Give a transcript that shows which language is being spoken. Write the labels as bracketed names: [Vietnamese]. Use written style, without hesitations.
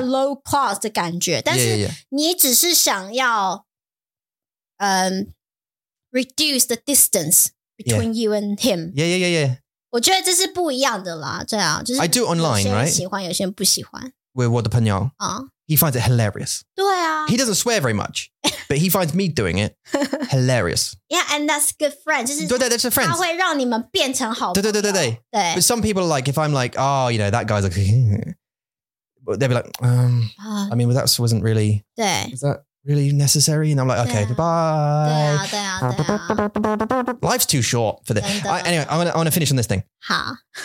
[English] low class [Chinese] 的感觉，但是你只是想要 [English] reduce the distance between you and him. Yeah. [Chinese] 我觉得这是不一样的啦，对啊，就是 [English] I do online, right? [Chinese] 喜欢，有些人不喜欢。 [English] With [Chinese] 我的朋友 [English] he finds it hilarious. [Chinese] 对啊 [English] he doesn't swear very much, but he finds me doing it hilarious. Yeah, and that's good friends. 对，that's a friend. [Chinese] 他会让你们变成好朋友。对。 [English] But some people are like, if I'm like, oh, you know, that guy's like, they'll be like, I mean, that wasn't really. [Chinese] 对。 [English] Is that really necessary? And I'm like, okay, bye. [Chinese] 对啊。 [English] Life's too short for this. Anyway, I'm gonna finish on this thing. [Chinese] 好。